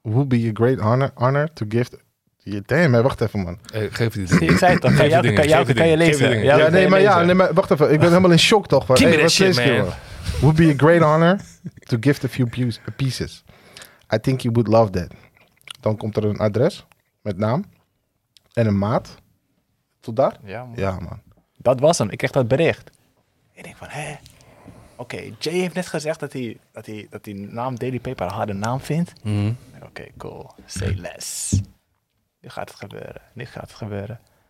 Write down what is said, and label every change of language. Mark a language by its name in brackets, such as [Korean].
[English] Would be a great honor to gift. [Dutch] Damn, wacht even, man. Geef die. Ik zei het toch, kan je lezen. Nee, maar wacht even. Ik ben helemaal in shock toch. [English] Keep it shit, man. Would be a great honor to gift a few pieces. I think you would love that. [Dutch] Dan komt er een adres met naam en een maat. Tot daar? Ja, man. Ja, man. Dat was hem. Ik kreeg dat bericht. Ik denk van, hè? Oké, Jay heeft net gezegd dat hij naam Daily Paper een harde naam vindt. Mm-hmm. Oké, cool. [English] Say less. [Dutch] Nu gaat het gebeuren.